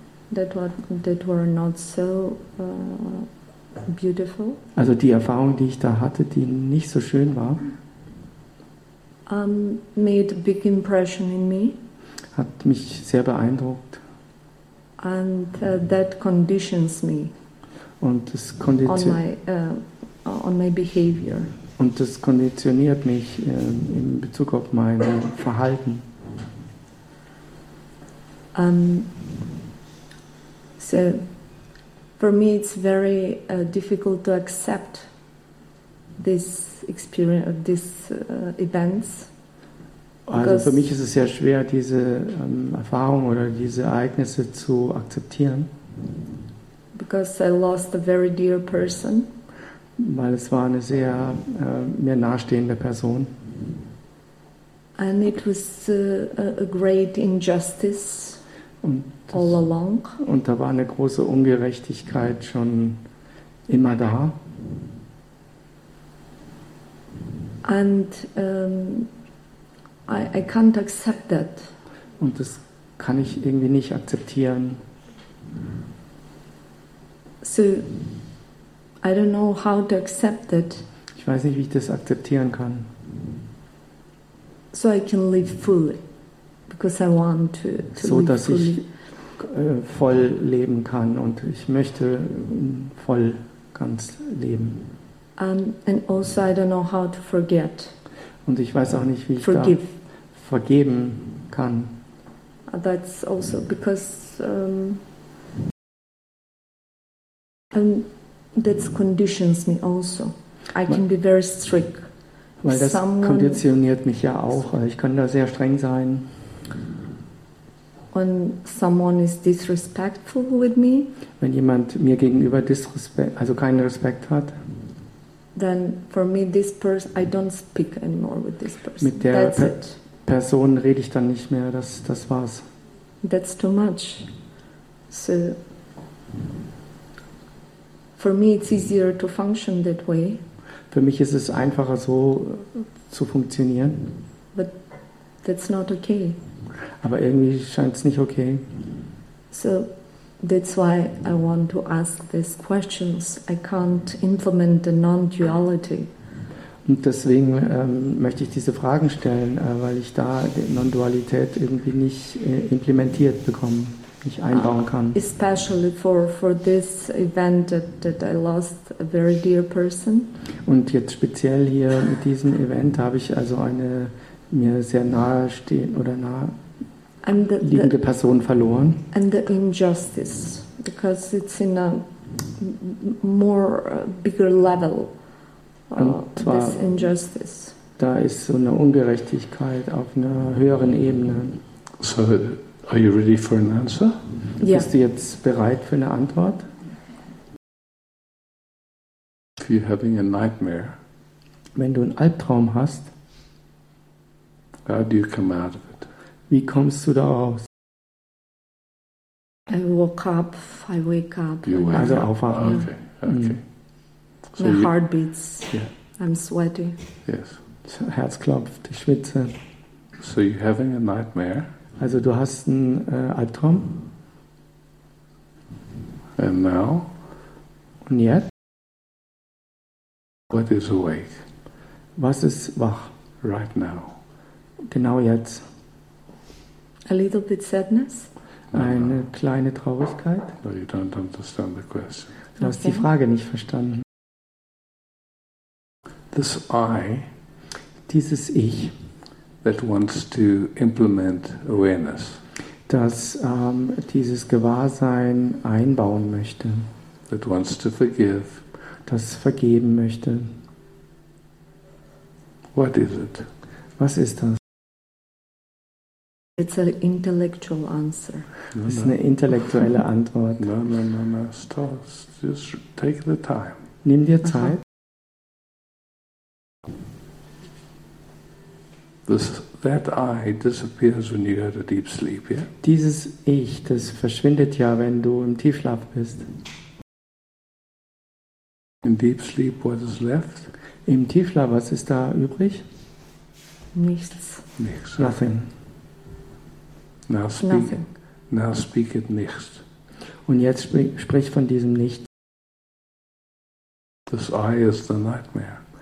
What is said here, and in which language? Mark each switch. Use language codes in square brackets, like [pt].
[en] That were not so beautiful. [de] Also die Erfahrung, die ich da hatte, die nicht so schön war, [en] made a big impression in me. [de] Hat mich sehr beeindruckt. [en] And that conditions me. [de] Und das konditioniert [en] on my behavior. [de] Und das konditioniert mich in Bezug auf mein Verhalten. [en] So, for me, it's very difficult to accept this experience, these events. [de] Also für mich ist es sehr schwer, diese Erfahrung oder diese Ereignisse zu akzeptieren. [en] Because I lost a very dear person. [de] Weil es war eine sehr mir nahestehende Person. [en] And it was a great injustice. All along. [de] Und da war eine große Ungerechtigkeit schon immer da. [en] And I can't accept that. [de] Und das kann ich irgendwie nicht akzeptieren. [en] So, I don't know how to accept it. [de] Ich weiß nicht, wie ich das akzeptieren kann. [en] So I can live fully, because I want to so, live [de] dass [en] fully. [de] Ich voll leben kann und ich möchte voll ganz leben. [en] And also I don't know how to forget. [de] Und ich weiß auch nicht, wie ich [en] Forgive. [de] Da vergeben kann. [en] That's also because that conditions me also. I can be very strict. [de] Weil das [en] Someone [de] konditioniert mich ja auch. Ich kann da sehr streng sein. [en] When someone is disrespectful with me, [de] wenn jemand mir gegenüber also keinen Respekt hat, [en] then for me this person, I don't speak anymore with this person. [de] Mit der Person rede ich dann nicht mehr. Das war's. [en] That's too much. So for me it's easier to function that way. [de] Für mich ist es einfacher so zu funktionieren. [en] But that's not okay. [de] Aber irgendwie scheint es nicht okay. [en] So, that's why I want to ask these questions. I can't implement the non-duality. [de] Und deswegen möchte ich diese Fragen stellen, weil ich da die Non-Dualität irgendwie nicht implementiert bekomme, nicht einbauen kann. [en] Especially for this event that I lost a very dear person. [de] Und jetzt speziell hier mit diesem Event habe ich also eine mir sehr nahestehende oder nahe liegende Person verloren. [en] And the injustice, because it's in a more bigger level, this injustice. [de] Da ist so eine Ungerechtigkeit auf einer höheren Ebene. [en] So, are you ready for an answer? Yeah. [de] Bist du jetzt bereit für eine Antwort? [en] If you're having a nightmare, [de] wenn du einen Albtraum hast, [en] how do you come out of it? [de] Wie kommst du da raus? [en] I wake up. [de] Also aufwachen. [en] Okay, okay. So my heart beats. Yeah. I'm sweaty. Yes. [de] Herz klopft, ich schwitze. [en] So you're having a nightmare. [de] Also du hast einen Albtraum. [en] And now? [de] Und jetzt? [en] What is awake? [de] Was ist wach? [en] Right now. [de] Genau jetzt. [en] A little bit sadness? [de] Eine kleine Traurigkeit? [en] No, you don't understand the question. [de] Du hast die Frage nicht verstanden. [en] This I, [de] dieses Ich, [en] that wants to implement awareness, [de] das dieses Gewahrsein einbauen möchte, [en] that wants to forgive, [de] das vergeben möchte. [en] What is it? [de] Was ist das? [en] It's an intellectual answer. [de] Das ist eine intellektuelle Antwort. [en] No. Stop. Just take the time. [de] Nimm dir Zeit. [en] That I disappears when you go to deep sleep, yeah? [de] Dieses Ich, das verschwindet ja, wenn du im Tiefschlaf bist. [en] In deep sleep, what is left? [de] Im Tiefschlaf, was ist da übrig? Nichts. Nichts. [en] Nothing. Now speak it [de] nicht. Und jetzt sprich von diesem Nicht. [en] This I is the nightmare.